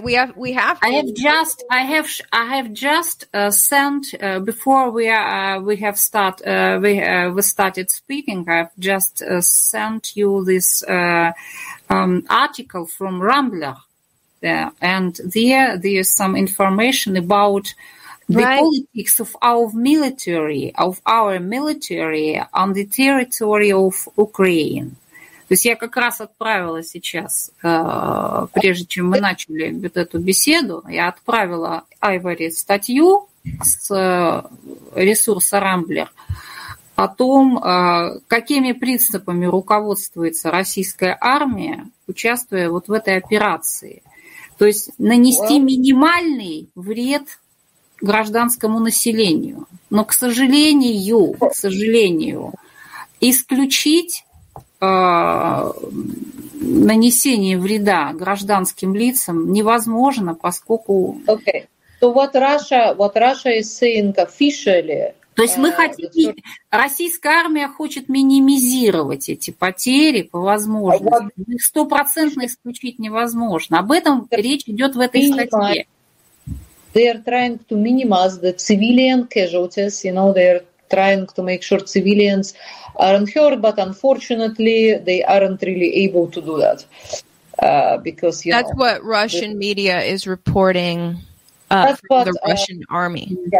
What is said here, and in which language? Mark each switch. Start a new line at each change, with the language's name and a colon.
English: I have just sent you this article from Rambler. And there is some information about the politics of our military, on the territory of Ukraine.
Russian: То есть я как раз отправила сейчас, прежде чем мы начали вот эту беседу, я отправила Ivory статью с ресурса Rambler о том, какими принципами руководствуется российская армия, участвуя вот в этой операции. То есть нанести минимальный вред гражданскому населению. Но, к сожалению, исключить нанесение вреда гражданским лицам невозможно, поскольку...
English: Okay. So what Russia is saying officially...
Russian: То есть мы хотим... Российская армия хочет минимизировать эти потери по возможности. Их стопроцентно исключить невозможно. Об этом речь идет в этой статье.
English: They are trying to minimize the civilian casualties, you know, they are trying to make sure civilians aren't hurt, but unfortunately they aren't really able to do that. Because you That's know, what Russian the, media is reporting that's from what, the Russian army.